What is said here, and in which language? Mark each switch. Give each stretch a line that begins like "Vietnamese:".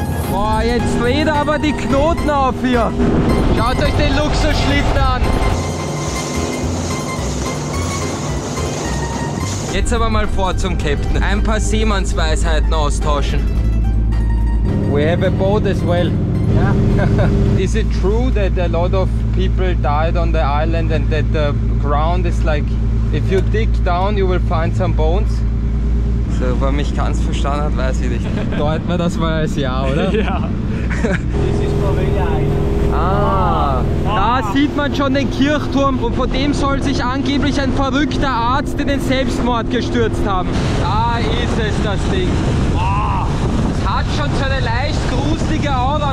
German: Boah, jetzt dreht aber die Knoten auf hier. Schaut euch den Luxusschlitten an. Jetzt aber mal vor zum Captain. Ein paar Seemannsweisheiten austauschen.
English: We have a boat as well. Yeah. Is it true that a lot of people died on the island and that the ground is like, if you dig down, you will find some bones?
German: So, wenn mich ganz verstanden hat, weiß ich nicht. Deuten wir das mal als ja, oder?
English: Ja. This is probably Island.
German: Ah, da sieht man schon den Kirchturm und von dem soll sich angeblich ein verrückter Arzt in den Selbstmord gestürzt haben. Da ist es, das Ding. Hat schon so eine leicht gruselige Aura.